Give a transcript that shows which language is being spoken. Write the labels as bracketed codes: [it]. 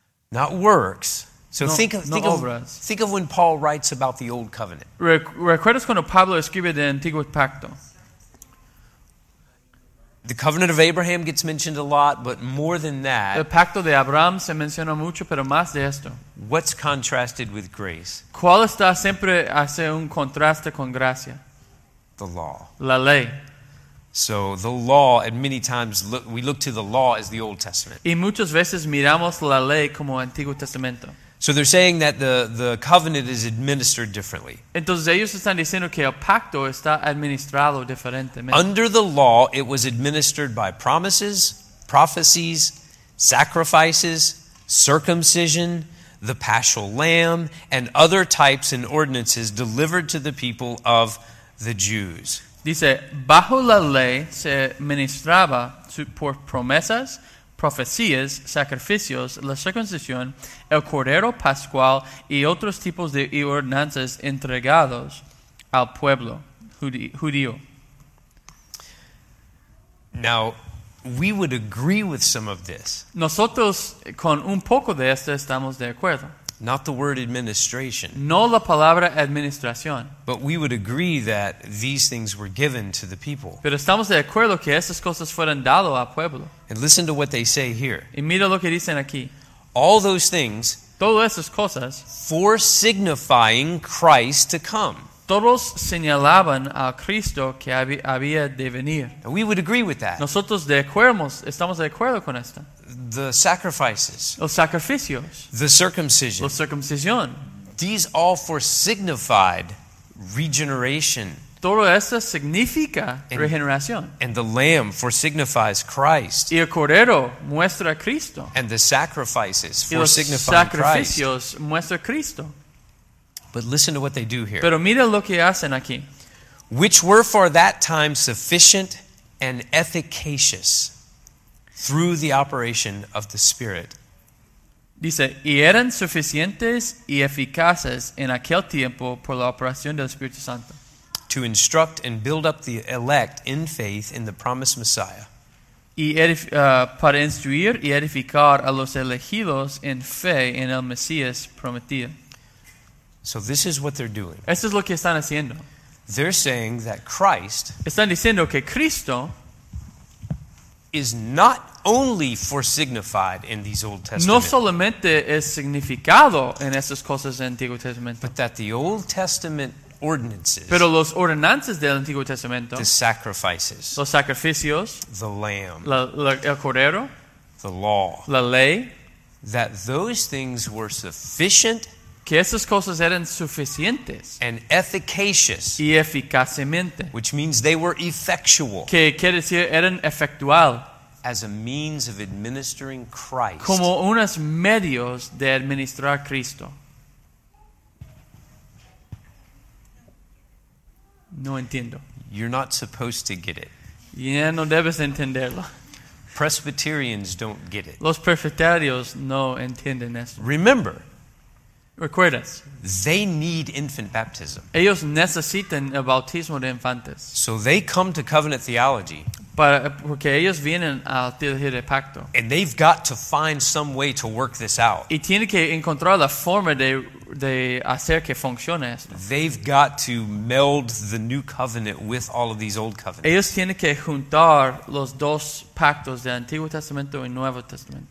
[en] Not works. So no, think of when Paul writes about the Old Covenant. [es] ¿Recuerdas cuando Pablo escribe del Antiguo Pacto? [en] The covenant of Abraham gets mentioned a lot, but more than that. [es] El pacto de Abraham se menciona mucho, pero más de esto. [en] What's contrasted with grace? [es] ¿Cuál está siempre hace un contraste con gracia? [en] The law. [es] La ley. [en] So the law, and many times we look to the law as the Old Testament. [es] Y muchas veces miramos la ley como Antiguo Testamento. [en] So they're saying that the covenant is administered differently. [es] Entonces ellos están diciendo que el pacto está administrado diferentemente. [en] Under the law, it was administered by promises, prophecies, sacrifices, circumcision, the paschal lamb, and other types and ordinances delivered to the people of the Jews. [es] Dice, bajo la ley se ministraba por promesas, profecías, sacrificios, la circuncisión, el cordero pascual y otros tipos de ordenanzas entregados al pueblo judío. [en] Now, we would agree with some of this. [es] Nosotros con un poco de esto estamos de acuerdo. [en] Not the word administration. [es] No la palabra administración. [en] But we would agree that these things were given to the people. [es] Pero estamos de acuerdo que estas cosas fueron dado al pueblo. [en] And listen to what they say here. [es] Y mira lo que dicen aquí. [en] All those things. [es] Todas esas cosas. [en] For signifying Christ to come. [es] Todos señalaban a Cristo que había de venir. [en] And we would agree with that. [es] Nosotros de acuerdo, estamos de acuerdo con esto. [en] The sacrifices. [es] Los sacrificios. [en] The circumcision. [es] La circuncisión. [en] These all for signified regeneration. [es] Todo esto significa regeneración. [en] And the lamb for signifies Christ. [es] Y el cordero muestra a Cristo. [en] And the sacrifices for signifying [es] sacrificios [en] Christ. [es] Y los sacrificios muestra a Cristo. [en] But listen to what they do here. [es] Pero mira lo que hacen aquí. [en] Which were for that time sufficient and efficacious through the operation of the Spirit. [es] Dice, y eran suficientes y eficaces en aquel tiempo por la operación del Espíritu Santo. [en] To instruct and build up the elect in faith in the promised Messiah. [es] Y para instruir y edificar a los elegidos en fe en el Mesías prometido. [en] So this is what they're doing. [es] Esto es lo que están haciendo. [en] They're saying that Christ, [es] están diciendo que Cristo, [en] is not only for signified in these Old Testament. [es] No solamente es significado en estas cosas del Antiguo Testamento. [en] But that the Old Testament ordinances, [es] pero los ordenanzas del Antiguo Testamento, [en] the sacrifices, [es] los sacrificios, [en] the lamb, [es] el cordero, [en] the law, [es] la ley, [en] that those things were sufficient. [es] Que esas cosas eran suficientes. [en] And efficacious. [es] Y eficazmente. [en] Which means they were effectual. [es] Que quiere decir eran efectual. [en] As a means of administering Christ. [es] Como unos medios de administrar Cristo. No entiendo. [en] You're not supposed to get it. [es] Ya no debes entenderlo. [en] Presbyterians don't get it. [es] Los presbiterios no entienden esto. [en] Remember. [es] Recuerdas. [en] They need infant baptism. [es] Ellos necesitan el bautismo de infantes. [en] So they come to covenant theology. [es] Porque ellos vienen a teología de pacto. [en] And they've got to find some way to work this out. [es] Y tienen que encontrar la forma de hacer que funcione esto. [en] They've got to meld the new covenant with all of these old covenants. [es] Ellos tienen que juntar los dos pactos del Antiguo Testamento y Nuevo Testamento.